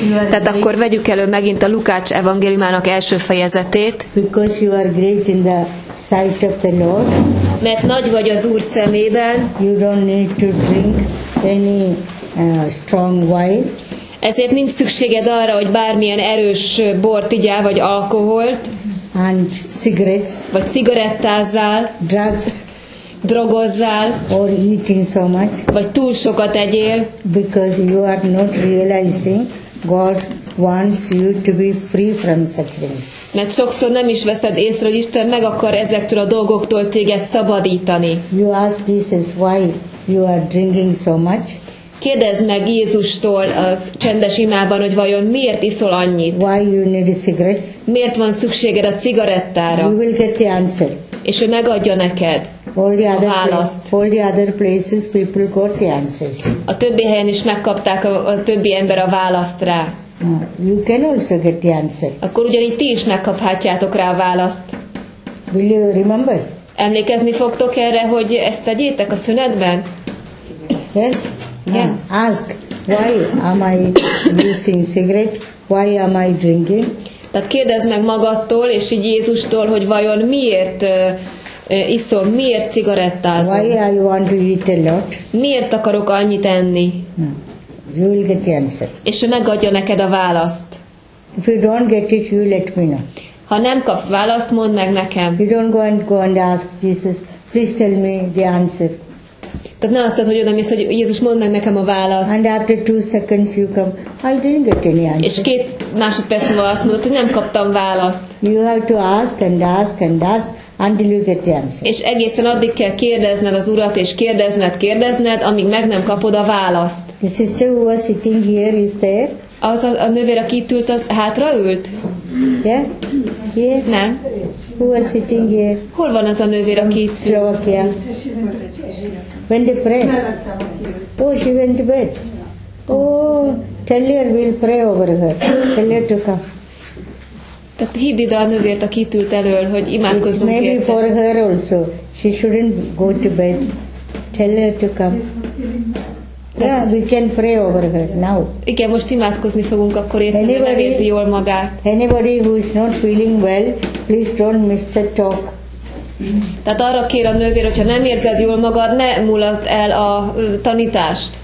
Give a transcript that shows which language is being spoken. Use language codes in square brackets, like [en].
[hu] Tehát akkor vegyük elő megint a Lukács evangéliumának első fejezetét. [en] Because you are great in the sight of the Lord. [hu] Mert nagy vagy az Úr szemében. [en] You don't need to drink any strong wine. [hu] Ezért nincs szükséged arra, hogy bármilyen erős bort igyál, vagy alkoholt. [en] And cigarettes. [hu] Vagy cigarettázzál. [en] Drugs. [hu] Drogozzál. [en] Or eating so much. [hu] Vagy túl sokat egyél. [en] Because you are not realizing God wants you to be free from such things. [hu] Mert sokszor nem is veszed észre, hogy Isten meg akar ezektől a dolgoktól téged szabadítani. [en] You ask Jesus why you are drinking so much. [hu] Kérdezd meg Jézustól az csendes imában, hogy vajon miért iszol annyit? [en] Why you need cigarettes? [hu] Miért van szükséged a cigarettára? [en] You will get the answer. [hu] És ő megadja neked a választ. [en] All the other places people got the answers. [hu] A többi helyen is megkapták a többi ember a választ rá. [en] You can also get the answer. [hu] Akkor ugyanígy ti is megkaphatjátok rá a választ. [en] Will you remember? [hu] Emlékezni fogtok erre, hogy ezt tegyétek a szünetben? [en] Yes. Yeah. Ask why am I using cigarette? Why am I drinking? [hu] Tehát kérdezd meg magadtól és így Jézustól, hogy vajon miért iszom, miért cigarettázom? [en] Why I want to eat a lot? [hu] Miért akarok annyit enni? [en] You will get the answer. [hu] És ő megadja neked a választ. [en] If you don't get it, you let me know. [hu] Ha nem kapsz választ, mondd meg nekem. [en] You don't go and ask Jesus, please tell me the answer. [hu] Tehát ne azt, hogy odamész, hogy Jézus, mondd meg nekem a választ. [en] And after 2 seconds you come, I didn't get any answer. [hu] És 2 másodperc múlva azt mondod, hogy nem kaptam választ. [en] You have to ask and ask and ask until you get the answer. [hu] És egészen addig kell kérdezned az Urat, és kérdezned, amíg meg nem kapod a választ. [en] The sister who was sitting here is there. [hu] Az a nővér, aki itt ült, az hátra ült? [en] Yeah? Here? [hu] Nem. [en] Who was sitting here? [hu] Hol van az a nővér, aki itt ült? [en] Slovakia. When they pray. Oh, she went to bed. Oh, tell her we'll pray over her. Tell her to come. [hu] Tehát hidd ide a nővért, aki itt ült elől, hogy imádkozzunk érte. [en] Maybe for her also. She shouldn't go to bed. Tell her to come. Yeah, we can pray over her now. [hu] Igen, most imádkozni fogunk akkor érte, hogy levézi jól magát. [en] Anybody who is not feeling well, please don't miss the talk. [hu] Tehát arra kér a nővér, hogyha nem érzed jól magad, ne mulaszd el a tanítást.